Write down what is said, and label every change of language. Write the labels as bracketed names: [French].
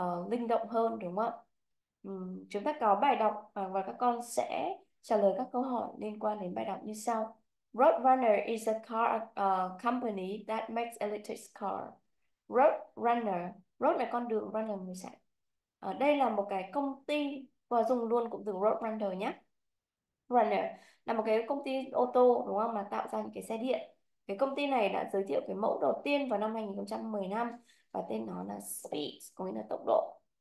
[Vietnamese] Linh động hơn, đúng không ạ? Chúng ta có bài đọc và các con sẽ trả lời các câu hỏi liên quan đến bài đọc như sau. [English] Roadrunner is a car company that makes electric car. [Vietnamese] Roadrunner, road là con đường, runner là người chạy. Đây là một cái công ty, và dùng luôn cụm từ Roadrunner nhé. Runner là một cái công ty ô tô, đúng không, mà tạo ra những cái xe điện. Cái công ty này đã giới thiệu cái mẫu đầu tiên vào năm 2015 và tên nó là Speed, có nghĩa là tốc độ.